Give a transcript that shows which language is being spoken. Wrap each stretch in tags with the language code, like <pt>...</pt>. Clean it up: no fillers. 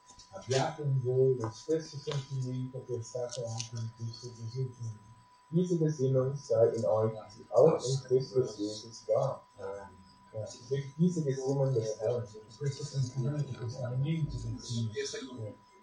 <it>Abbiate in voi lo stesso sentimento che è stato anche in Cristo Gesù.</it> <de>Diese Gesinnung sei in euch, die auch in Christus Jesus war. Ja. Diese Gesinnung des Herrn,</de> <it>questo sentimento, questo alimento del Signore.</it>